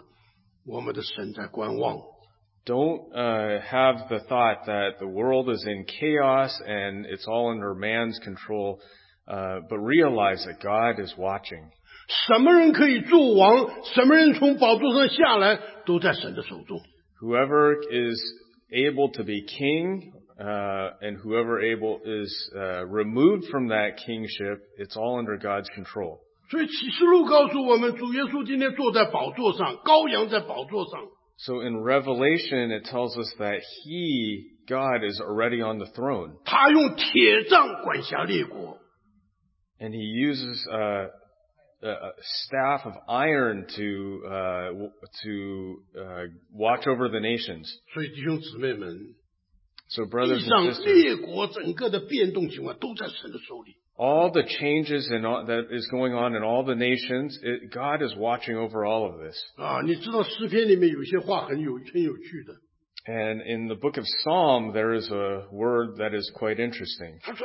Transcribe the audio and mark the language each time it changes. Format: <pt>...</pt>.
<zh>弟兄姊妹,我们不要以为今天这个世界呢,已经失去了这个控制了,或乱七八糟是人在这做什么,我们的神在观望。</zh> <en>Don't have the thought that the world is in chaos and it's all under man's control, but realize that God is watching.</en> <zh>什么人可以做王, 什么人从宝座上下来, 都在神的手中。</zh> <en>Whoever is able to be king, and whoever able is removed from that kingship, it's all under God's control.</en> <zh>所以启示录告诉我们, 主耶稣今天坐在宝座上, 羔羊在宝座上。</zh> <en>So in Revelation, it tells us that he God is already on the throne.</en> <zh>他用铁杖管辖列国。</zh> <en>And he uses a staff of iron to watch over the nations.</en> <zh>所以弟兄姊妹们,</zh> <en>so brothers and sisters,</en> <zh>地上列国整个的变动情况都在神的手里。</zh> <en>All the changes and all that is going on in all the nations, God is watching over all of this.</en> <zh>你知道诗篇里面有些话很有趣的。</zh> <en>And in the book of Psalm, there is a word that is quite interesting.</en>